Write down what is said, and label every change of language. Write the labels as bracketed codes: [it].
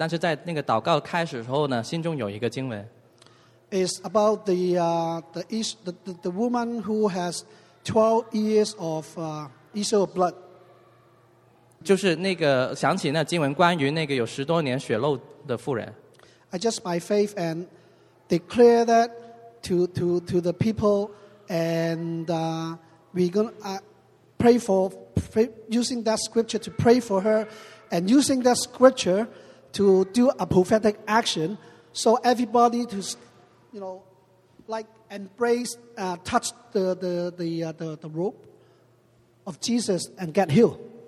[zh] 我本来没有预备任何东西，但是在那个祷告开始的时候呢，心中有一个经文。 [en] It's about the woman who has 12 years of issue of blood. [zh] 就是那个想起那经文，关于那个有十多年血漏的妇人。 [en] I just by faith and declare that to the people, and we're gonna pray for using that scripture to pray for her. And using that scripture to do a prophetic action, so everybody to, you know, like embrace, touch the robe of Jesus and get healed.